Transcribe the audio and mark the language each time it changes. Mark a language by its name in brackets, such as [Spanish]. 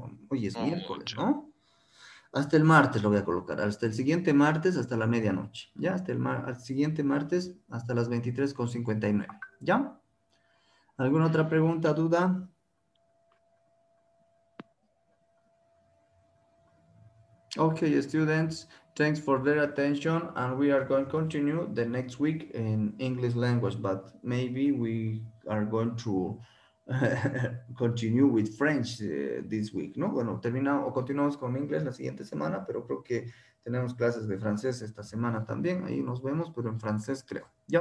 [Spanish] Hoy es miércoles, ¿no? Hasta el martes lo voy a colocar, hasta el siguiente martes, hasta la medianoche, ¿ya? Hasta el siguiente martes, hasta las 23:59, ¿ya? ¿Alguna otra pregunta, duda? [English] Okay, students, thanks for their attention, and we are going to continue the next week in English language, but maybe we are going to continue with French this week, ¿no? [Spanish] Bueno, continuamos con inglés la siguiente semana, pero creo que tenemos clases de francés esta semana también, ahí nos vemos, pero en francés creo, ¿ya?